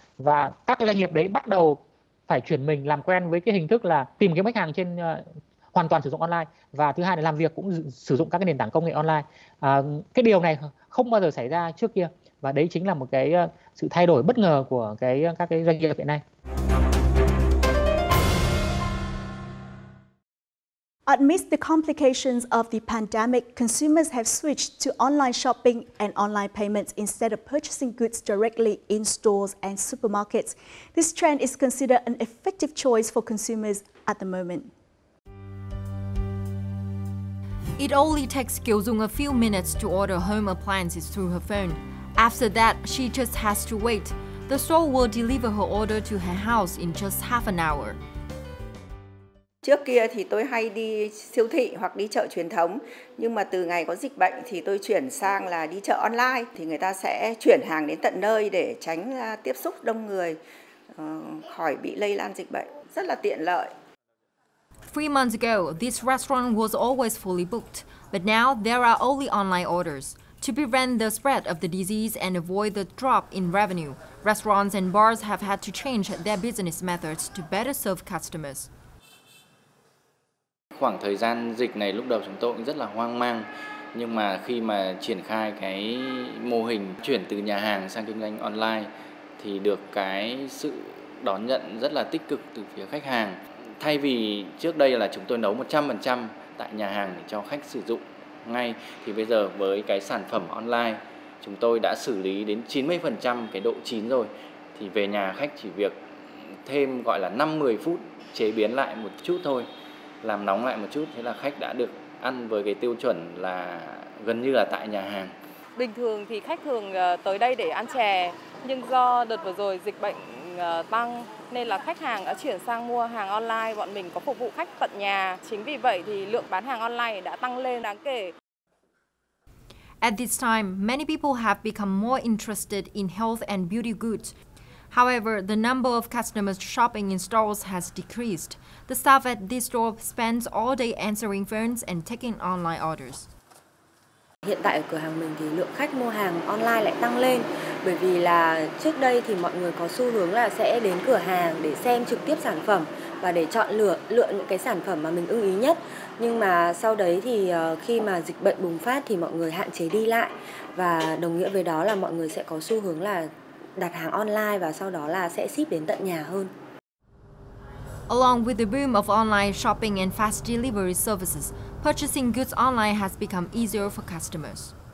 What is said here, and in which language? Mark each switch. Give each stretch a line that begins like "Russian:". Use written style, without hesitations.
Vietnamese: Và các doanh nghiệp đấy bắt đầu phải chuyển mình làm quen với cái hình thức là tìm kiếm khách hàng trên hoàn toàn sử dụng online, và thứ hai là làm việc cũng sử dụng các cái nền tảng công nghệ online. Cái điều này không bao giờ xảy ra trước kia, và đấy chính là một cái sự thay đổi bất ngờ của các cái doanh nghiệp hiện nay.
English: Amidst the complications of the pandemic, consumers have switched to online shopping and online payments instead of purchasing goods directly in stores and supermarkets. This trend is considered an effective choice for consumers at the moment. It only takes Kiều Dung a few minutes to order home appliances through her phone. After that, she just has to wait. The store will deliver her order to her house in just half an hour.
Vietnamese: Trước kia thì tôi hay đi siêu thị hoặc đi chợ truyền thống, nhưng mà từ ngày có dịch bệnh thì tôi chuyển sang là đi chợ online. Thì người ta sẽ chuyển hàng đến tận nơi để tránh tiếp xúc đông người, khỏi bị lây lan dịch bệnh. Rất là tiện lợi.
English: 3 months ago, this restaurant was always fully booked, but now there are only online orders. To prevent the spread of the disease and avoid the drop in revenue, restaurants and bars have had to change their business methods to better serve customers.
Vietnamese: Khoảng thời gian dịch này lúc đầu chúng tôi cũng rất là hoang mang, nhưng mà khi mà triển khai cái mô hình chuyển từ nhà hàng sang kinh doanh online thì được cái sự đón nhận rất là tích cực từ phía khách hàng. Thay vì trước đây là chúng tôi nấu 100% tại nhà hàng để cho khách sử dụng ngay, thì bây giờ với cái sản phẩm online chúng tôi đã xử lý đến 90% cái độ chín rồi, thì về nhà khách chỉ việc thêm gọi là 5-10 phút chế biến lại một chút thôi, làm nóng lại một chút, thế là khách đã được ăn với cái tiêu chuẩn là gần như là tại nhà hàng. Bình thường thì khách thường tới đây để ăn chè, nhưng do đợt vừa rồi dịch bệnh tăng nên là khách hàng đã chuyển sang mua hàng online, bọn mình có phục vụ khách tận nhà. Chính vì vậy thì lượng bán hàng online đã tăng lên đáng kể.
English: At this time, many people have become more interested in health and beauty goods. However, the number of customers shopping in stores has decreased. The staff at this store spends all day answering phones and taking online orders.
Vietnamese: Hiện tại ở cửa hàng mình thì lượng khách mua hàng online lại tăng lên, bởi vì là trước đây thì mọi người có xu hướng là sẽ đến cửa hàng để xem trực tiếp sản phẩm và để chọn lựa những cái sản phẩm mà mình ưng ý nhất. Nhưng mà sau đấy thì khi mà dịch bệnh bùng phát thì mọi người hạn chế đi lại, và đồng nghĩa với đó là mọi người sẽ có xu hướng là đặt hàng online và sau đó là sẽ ship đến tận nhà hơn.
English: Along with the boom of online shopping and fast delivery services, purchasing goods online has become easier for customers.